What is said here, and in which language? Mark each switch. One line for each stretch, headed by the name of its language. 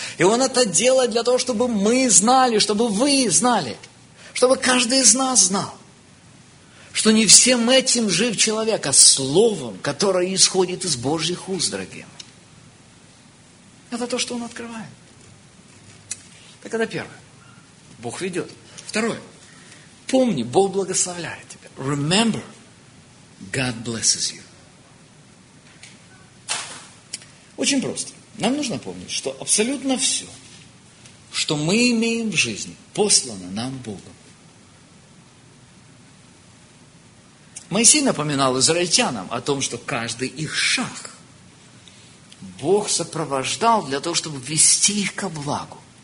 Russian: И Он это делает для того, чтобы мы знали, чтобы вы знали, чтобы каждый из нас знал, что не всем этим жив человек, а словом, которое исходит из Божьих уст, дорогие. Это то, что Он открывает. Так это первое. Бог ведет. Второе. Помни, Бог благословляет тебя.
English: Remember, God blesses you.
Russian: Очень просто. Нам нужно помнить, что абсолютно все, что мы имеем в жизни, послано нам Богом. Моисей напоминал израильтянам о том, что каждый их шаг Бог сопровождал для того, чтобы вести их ко благу.